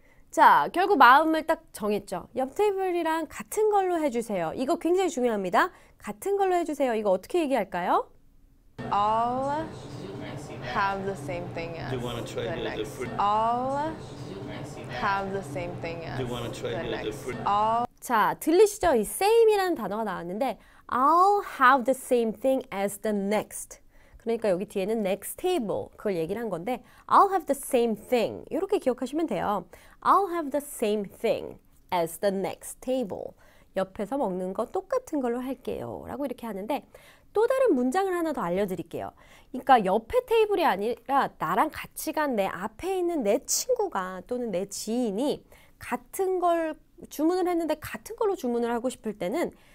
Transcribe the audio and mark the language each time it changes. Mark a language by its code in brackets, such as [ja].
[ko] 자, 결국 마음을 딱 정했죠. 옆 테이블이랑 같은 걸로 해주세요. 이거 굉장히 중요합니다. 같은 걸로 해주세요. 이거 어떻게 얘기할까요? [en] All have the same thing as the next. All have the same thing as the next. All. [ko] 자, 들리시죠? 이 same이라는 단어가 나왔는데 [en] I'll have the same thing as the next. [ko] 그러니까 여기 뒤에는 next table 그걸 얘기를 한 건데 [en] I'll have the same thing [ko] 이렇게 기억하시면 돼요. [en] I'll have the same thing as the next table. [ko] 옆에서 먹는 거 똑같은 걸로 할게요. 라고 이렇게 하는데 또 다른 문장을 하나 더 알려드릴게요. 그러니까 옆에 테이블이 아니라 나랑 같이 간 내 앞에 있는 내 친구가 또는 내 지인이 같은 걸 주문을 했는데 같은 걸로 주문을 하고 싶을 때는